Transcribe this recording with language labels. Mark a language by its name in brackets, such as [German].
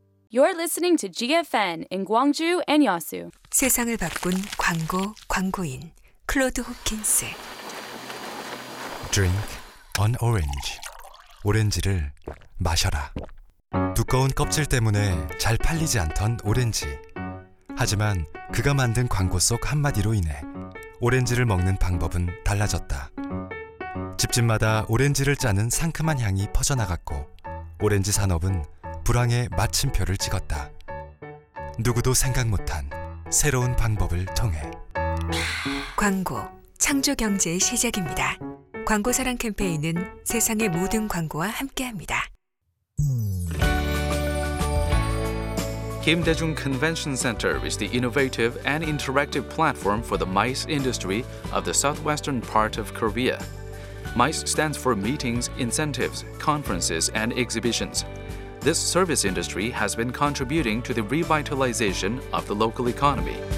[English] You're listening to GFN in Gwangju and Yeosu. [Korean] 세상을 바꾼 광고 광고인 클로드 호킨스. [English] Drink on orange. [Korean] 오렌지를 마셔라. 두꺼운 껍질 때문에 잘 팔리지 않던 오렌지. 하지만 그가 만든 광고 속 한마디로 인해 오렌지를 먹는 방법은 달라졌다. 집집마다 오렌지를 짜는 상큼한 향이 퍼져나갔고 오렌지 산업은 불황의 마침표를 찍었다. 누구도 생각 못한 새로운 방법을 통해 광고, 창조경제의 시작입니다. 광고 사랑 캠페인은 세상의 모든 광고와 함께합니다. [English] 김대중 Convention Center is the innovative and interactive platform for the MICE industry of the southwestern part of Korea. MICE stands for Meetings, Incentives, Conferences, and Exhibitions. This service industry has been contributing to the revitalization of the local economy.